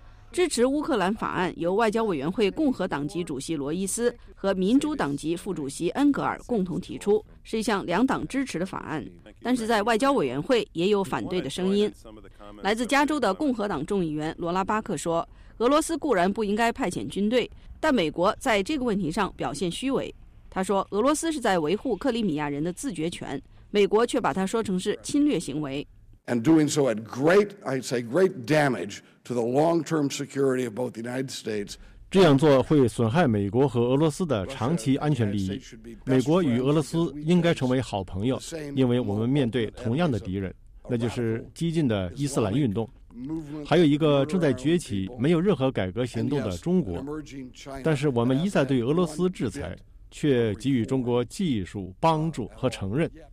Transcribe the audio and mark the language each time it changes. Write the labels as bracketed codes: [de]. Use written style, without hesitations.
[zh] 支持乌克兰法案由外交委员会共和党籍主席罗伊斯和民主党籍副主席恩格尔共同提出，是一项两党支持的法案，但是在外交委员会也有反对的声音。来自加州的共和党众议员罗拉巴克说，俄罗斯固然不应该派遣军队，但美国在这个问题上表现虚伪。他说，俄罗斯是在维护克里米亚人的自决权，美国却把它说成是侵略行为。 [en] And doing so at great, I'd say great damage to the long-term security of both the United States. [zh] 这样做会损害美国和俄罗斯的长期安全利益。美国与俄罗斯应该成为好朋友，因为我们面对同样的敌人，那就是激进的伊斯兰运动。还有一个正在崛起没有任何改革行动的中国，但是我们一再对俄罗斯制裁，却给予中国技术帮助和承认。